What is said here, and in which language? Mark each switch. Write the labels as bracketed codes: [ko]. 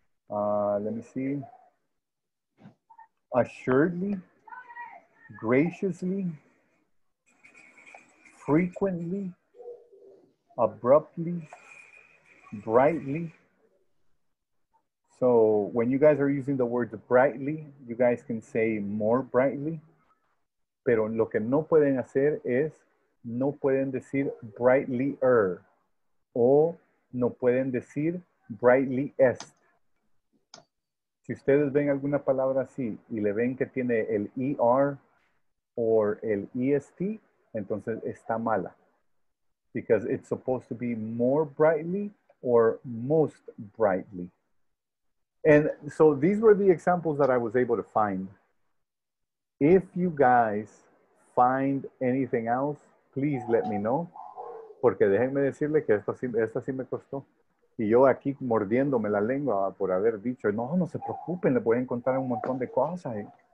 [en] Let me see. Assuredly, graciously, frequently, abruptly, brightly. So when you guys are using the words brightly, you guys can say more brightly. [es] Pero lo que no pueden hacer es, no pueden decir brightlier, o no pueden decir brightliest. Si ustedes ven alguna palabra así y le ven que tiene el ER o el EST, entonces está mala. [en] Because it's supposed to be more brightly or most brightly. And so these were the examples that I was able to find. If you guys find anything else, please let me know. [es] Porque déjenme decirle que esta sí me costó. Y yo aquí mordiéndome la lengua por haber dicho, no, no se preocupen, le voy a encontrar un montón de cosas.